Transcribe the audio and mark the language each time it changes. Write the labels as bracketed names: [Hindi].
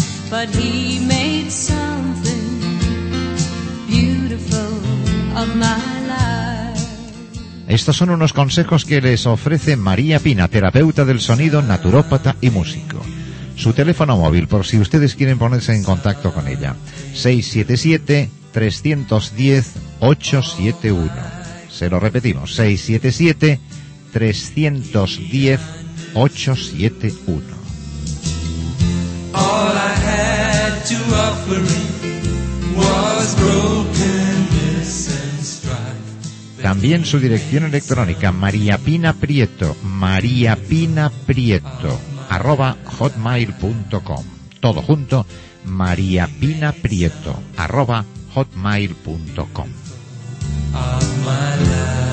[English] But he made something beautiful of my life. [Spanish] Estos son unos consejos que les ofrece María Pina, terapeuta del sonido, naturópata y músico. Su teléfono móvil, por si ustedes quieren ponerse en contacto con ella, 677-310-871. Se lo repetimos, 677-310-871. [English] All I had to offer was brokenness and strife. [Spanish] También su dirección electrónica, mariapinaprieto@hotmail.com. Todo junto, mariapinaprieto@hotmail.com. [English] Of my life.